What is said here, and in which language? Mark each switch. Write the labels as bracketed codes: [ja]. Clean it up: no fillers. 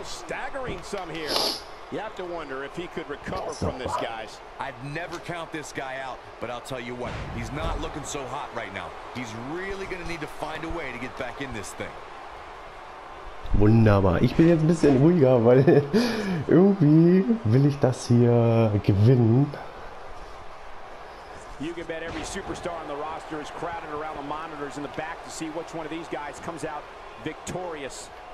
[en] You have to wonder if he could recover from this, guys. I'd never count this guy out, but I'll tell you what, he's not looking so hot right now. He's really gonna need to find a way to get back in this thing. [de] Wunderbar. Ich bin jetzt ein bisschen ruhiger, weil irgendwie will ich das hier gewinnen. [en] You can bet every superstar on the roster is crowded around the monitors in the back to see which one of these guys comes out victorious.